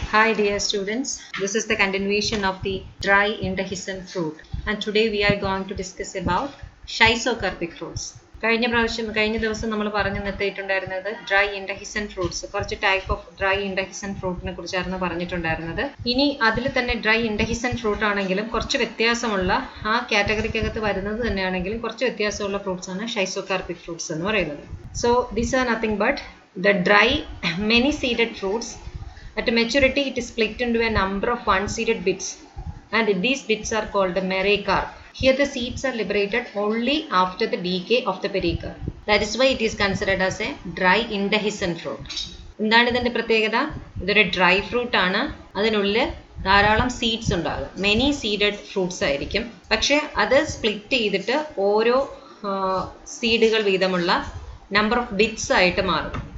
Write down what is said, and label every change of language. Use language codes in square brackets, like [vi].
[en] Hi dear students, this is the continuation of the dry indehiscent fruit and today we are going to discuss about schizocarpic fruits. [ml] കഴിഞ്ഞ ദിവസം നമ്മൾ പറഞ്ഞു നിർത്തിയിട്ടുണ്ടായിരുന്നത് dry ഇൻഡഹിസൻറ്റ് fruits, കുറച്ച് type of dry ഇൻഡഹിസൻറ്റ് ഫ്രൂട്ടിനെ കുറിച്ചായിരുന്നു പറഞ്ഞിട്ടുണ്ടായിരുന്നത്. ഇനി അതിൽ തന്നെ ഡ്രൈ ഇൻഡഹിസൻറ്റ് ഫ്രൂട്ട് ആണെങ്കിലും കുറച്ച് വ്യത്യാസമുള്ള ആ കാറ്റഗറിക്കകത്ത് വരുന്നത് തന്നെയാണെങ്കിലും കുറച്ച് വ്യത്യാസമുള്ള ഫ്രൂട്ട്സ് ആണ് ഷൈസോകാർപിക് ഫ്രൂട്ട്സ് എന്ന് പറയുന്നത്. [en] So these are nothing but the dry many seeded fruits at maturity it is split in to a number of one seeded bits and these bits are called mericarp. Here the seeds are liberated only after the decay of the pericarp. That is why it is considered as a dry indehiscent fruit. [ml] എന്താണ് ഇതിൻ്റെ പ്രത്യേകത? ഇതൊരു dry fruit ആണ്, അതിനുള്ളിൽ ധാരാളം seeds ഉണ്ടാകും, many seeded fruits ആയിരിക്കും. പക്ഷേ അത് സ്പ്ലിറ്റ് ചെയ്തിട്ട് ഓരോ സീഡുകൾ വീതമുള്ള നമ്പർ ഓഫ് ബിറ്റ്സ് ആയിട്ട് മാറും.